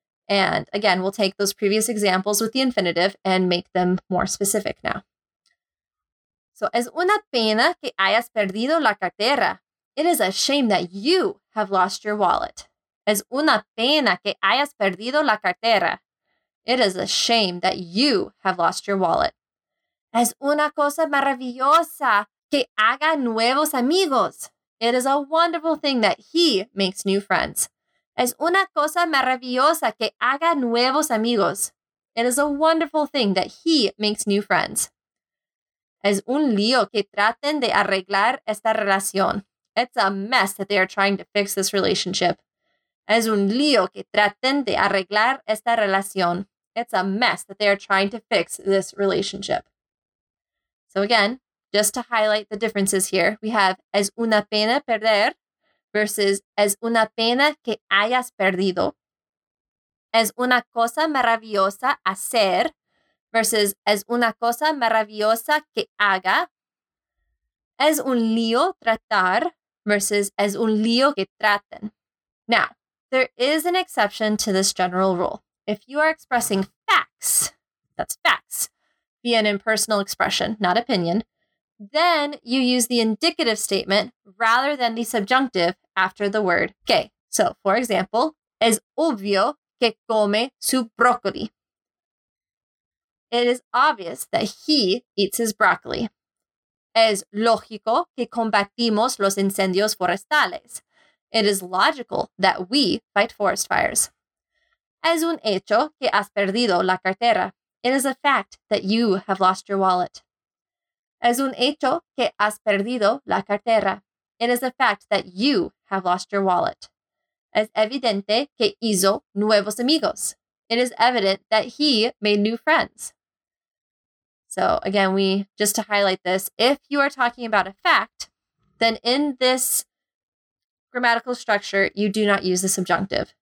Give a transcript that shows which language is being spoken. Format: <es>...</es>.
<en>And again, we'll take those previous examples with the infinitive and make them more specific now.</en> <es>So, es una pena que hayas perdido la cartera.</es> <en>It is a shame that you have lost your wallet.</en> <es>Es una pena que hayas perdido la cartera.</es> <en>It is a shame that you have lost your wallet.</en> <es>Es una cosa maravillosa que haga nuevos amigos.</es> <en>It is a wonderful thing that he makes new friends.</en> <es>Es una cosa maravillosa que haga nuevos amigos.</es> <en>It is a wonderful thing that he makes new friends.</en> <es>Es un lío que traten de arreglar esta relación.</es> <en>It's a mess that they are trying to fix this relationship.</en> <es>Es un lío que traten de arreglar esta relación.</es> <en>It's a mess that they are trying to fix this relationship. So again, just to highlight the differences here, we have</en> <es>es una pena perder</es> <en>versus</en> <es>es una pena que hayas perdido. Es una cosa maravillosa hacer versus es una cosa maravillosa que haga. Es un lío tratar versus es un lío que traten.</es> <en>Now, there is an exception to this general rule. If you are expressing facts, that's facts, via an impersonal expression, not opinion, then you use the indicative statement rather than the subjunctive after the word que.</en> <es>So, for example, es obvio que come su broccoli.</es> <en>It is obvious that he eats his broccoli.</en> <es>Es lógico que combatimos los incendios forestales.</es> <en>It is logical that we fight forest fires.</en> <es>Es un hecho que has perdido la cartera.</es> <en>It is a fact that you have lost your wallet.</en> <es>Es un hecho que has perdido la cartera.</es> <en>It is a fact that you have lost your wallet.</en> <es>Es evidente que hizo nuevos amigos.</es> <en>It is evident that he made new friends. So again, we just to highlight this, if you are talking about a fact, then in this grammatical structure, you do not use the subjunctive.</en>